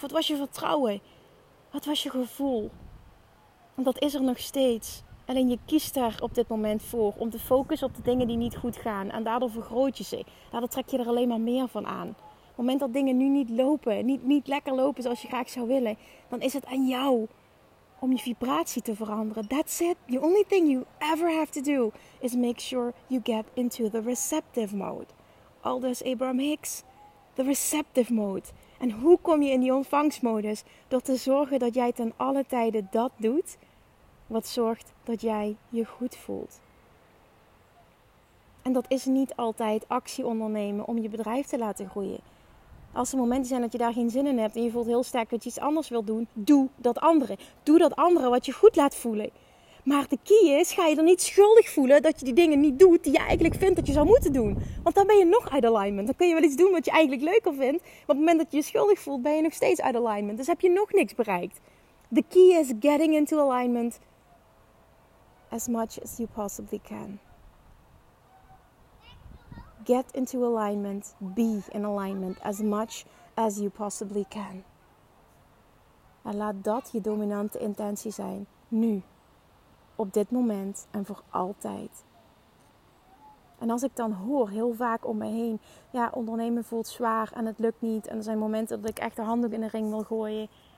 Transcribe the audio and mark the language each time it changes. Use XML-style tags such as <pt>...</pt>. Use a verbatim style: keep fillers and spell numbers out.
<nl>Wat was je vertrouwen? Wat was je gevoel? Want dat is er nog steeds. Alleen je kiest daar op dit moment voor om te focussen op de dingen die niet goed gaan. En daardoor vergroot je ze. Daardoor trek je er alleen maar meer van aan. Op het moment dat dingen nu niet lopen, niet, niet lekker lopen zoals je graag zou willen, dan is het aan jou om je vibratie te veranderen.</nl> <en>That's it. The only thing you ever have to do is make sure you get into the receptive mode.</en> <nl>Aldus Abraham Hicks.</nl> <en>The receptive mode.</en> <nl>En hoe kom je in die ontvangstmodus? Door te zorgen dat jij ten alle tijde dat doet wat zorgt dat jij je goed voelt. En dat is niet altijd actie ondernemen om je bedrijf te laten groeien. Als er momenten zijn dat je daar geen zin in hebt en je voelt heel sterk dat je iets anders wilt doen, doe dat andere. Doe dat andere wat je goed laat voelen. Maar de key is, ga je dan niet schuldig voelen dat je die dingen niet doet die je eigenlijk vindt dat je zou moeten doen. Want dan ben je nog uit alignment. Dan kun je wel iets doen wat je eigenlijk leuker vindt. Maar op het moment dat je je schuldig voelt, ben je nog steeds uit alignment. Dus heb je nog niks bereikt.</nl> <en>The key is getting into alignment as much as you possibly can. Get into alignment. Be in alignment as much as you possibly can.</en> <nl>En laat dat je dominante intentie zijn. Nu. Op dit moment. En voor altijd. En als ik dan hoor heel vaak om me heen. Ja, ondernemen voelt zwaar en het lukt niet. En er zijn momenten dat ik echt de handdoek in de ring wil gooien.</nl>